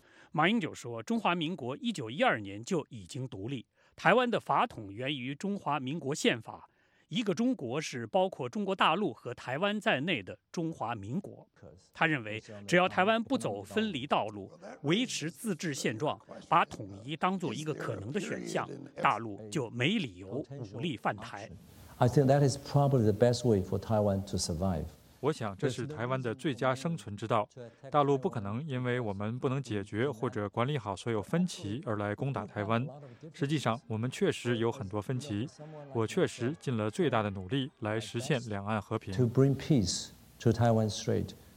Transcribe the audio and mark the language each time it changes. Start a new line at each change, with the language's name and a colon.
Chinese: 马英九说，中华民国1912年就已经独立，台湾的法统源于中华民国宪法，一个中国是包括中国大陆和台湾在内的中华民国。他认为，只要台湾不走分离道路，维持自治现状，把统一当作一个可能的选项，大陆就没理由武力犯台。
English: I think that is probably the best way for Taiwan to survive.
Chinese: 我想这是台湾的最佳生存之道。大陆不可能因为我们不能解决或者管理好所有分歧而来攻打台湾。实际上，我们确实有很多分歧。我确实尽了最大的努力来实现两岸和平。
English: To bring peace to Taiwan Strait.